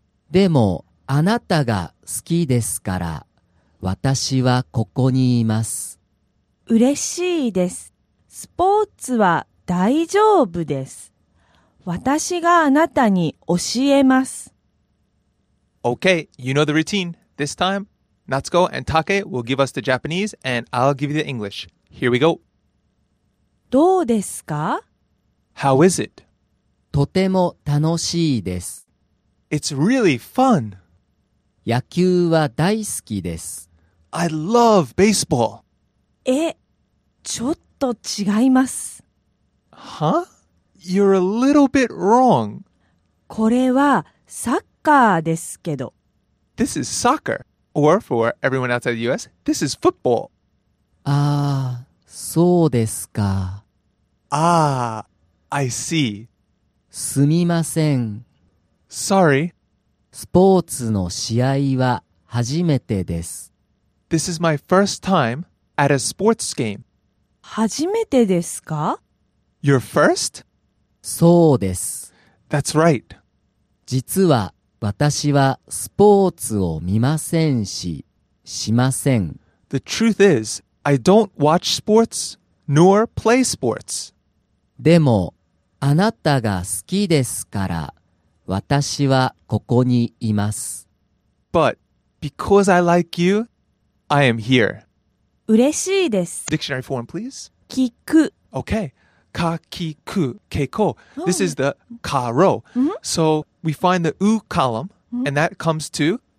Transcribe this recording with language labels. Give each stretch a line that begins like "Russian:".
Japanese: でもあなたが好きですから、私はここにいます。嬉しいです。スポーツは大丈夫です。私があなたに教えます。
English: Okay, you know the routine. This time, Natsuko and Take will give us the Japanese and I'll give you the English. Here we go.
Japanese: どうですか？
English: How is it?
Japanese: とても楽しいです。
English: It's really fun.
Japanese: 野球は大好きです。
English: I love baseball.
Japanese: え、ちょっと違います。
English: Huh? You're a little bit wrong.
Japanese: これはサッカーですけど。
English: This is soccer. Or for everyone outside the US, this is football.
Japanese: ああ、そうですか。
English: ああ、I see.
Japanese: すみません。
English: Sorry.
Japanese: スポーツの試合は初めてです。
English: This is my first time at a sports game.
Japanese: 初めてですか?
English: Your first?
Japanese: そうです。
English: That's right.
Japanese: 実は私はスポーツを見ませんし、しません。
English: The truth is, I don't watch sports nor play sports.
Japanese: でも、あなたが好きですから、私はここにいます。
English: But, because I like you, I am here.
Japanese: 嬉しいです。
English: Dictionary form, please.
Japanese: 聞く。
English: Okay.
Japanese: かきく、けこ。
English: This is the ka ro. So, we find the u column, and that comes to